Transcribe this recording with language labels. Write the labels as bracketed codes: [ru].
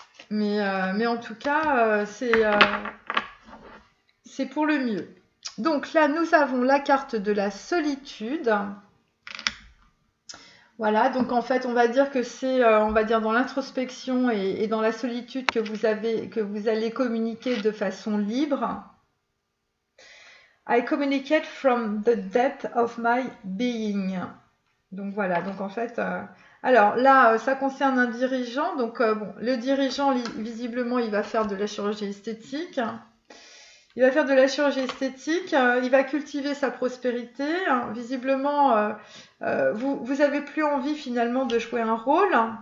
[fr] Mais en tout cas, c'est pour le mieux. Donc là, nous avons la carte de la solitude. Voilà, donc en fait, on va dire que c'est, on va dire, dans l'introspection et dans la solitude que vous avez, que vous allez communiquer de façon libre. [en] I communicate from the depth of my being. [fr] Donc voilà, donc en fait, alors là, ça concerne un dirigeant. Donc bon, le dirigeant, visiblement, il va faire de la chirurgie esthétique. Il va faire de la chirurgie esthétique, il va cultiver sa prospérité. Hein. Visiblement, vous n'avez plus envie finalement de jouer un rôle.